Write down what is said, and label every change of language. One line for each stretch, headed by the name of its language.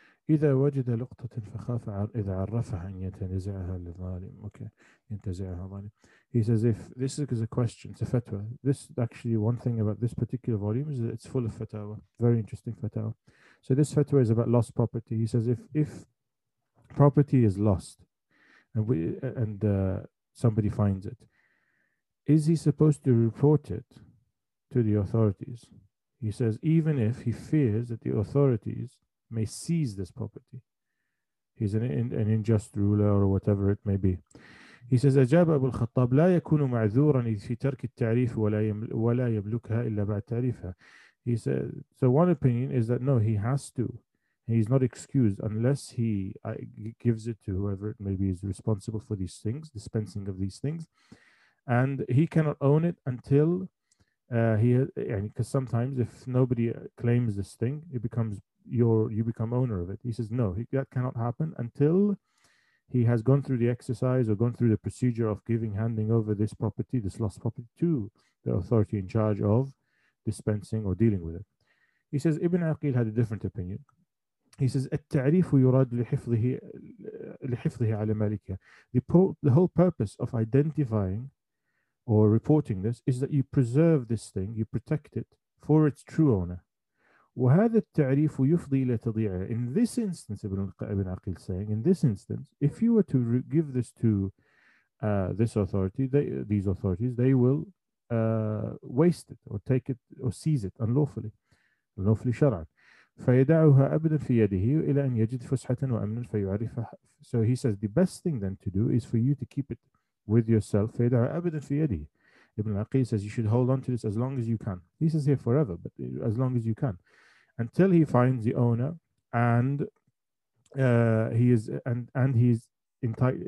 Arabic: إذا وجد لقطة فخاف إذا عرفها أن ينتزعها للظالم. Okay. ينتزعها الظالم.
English: He says, if this is a question, it's a fatwa. This actually, one thing about this particular volume is that it's full of fatwa. Very interesting fatwa. So this fatwa is about lost property. He says, if property is lost and somebody finds it, is he supposed to report it to the authorities? He says, even if he fears that the authorities may seize this property, he's an unjust ruler or whatever it may be. He says,
Arabic: أجاب أبو الخطاب لا يكون معذورا في ترك التعريف ولا يملكها إلا بعد تعريفها.
English: He says, so one opinion is that no, he has to. He's not excused unless he gives it to whoever it may be is responsible for these things, dispensing of these things, and he cannot own it until He, and because sometimes if nobody claims this thing, it becomes your, you become owner of it. He says, no, that cannot happen until he has gone through the exercise or gone through the procedure of giving, handing over this property, this lost property, to the authority in charge of dispensing or dealing with it. He says, Ibn Aqil had a different opinion. He says,
Arabic: التَّعْرِيفُ يُرَادْ لِحِفْظِهِ عَلَى مَالِكِهِ.
English: The whole purpose of identifying or reporting this is that you preserve this thing, you protect it for its true owner.
Arabic: وَهَذَا التَّعْرِيفُ يُفْضِي إِلَى تَضِيعِهِ.
English: In this instance, Ibn Aqil saying, in this instance, if you were to give this to this authority, these authorities, they will waste it or take it or seize it unlawfully. Unlawfully shara'an.
Arabic: فيدعها أبدا في يده إلى أن يجد فسحة وأمنا فيعرفها.
English: So he says the best thing then to do is for you to keep it with yourself.
Arabic: فيدعها أبدا في يده.
English: Ibn Aqil says you should hold on to this as long as you can. He says here forever, but as long as you can, until he finds the owner and he is and he's entitled.